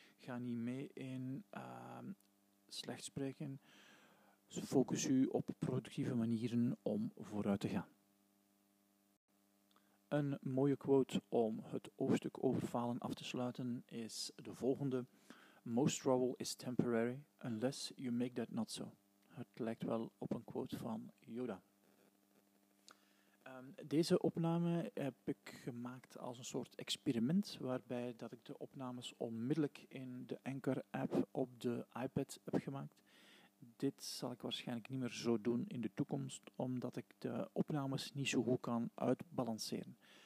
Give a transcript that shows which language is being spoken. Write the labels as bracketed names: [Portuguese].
[Dutch] Ga niet mee in slecht spreken. Focus u op productieve manieren om vooruit te gaan. Een mooie quote om het hoofdstuk over falen af te sluiten is de volgende. [English] Most trouble is temporary, unless you make that not so. [Dutch] Het lijkt wel op een quote van Yoda. Deze opname heb ik gemaakt als een soort experiment, waarbij dat ik de opnames onmiddellijk in de Anchor-app op de iPad heb gemaakt. Dit zal ik waarschijnlijk niet meer zo doen in de toekomst, omdat ik de opnames niet zo goed kan uitbalanceren.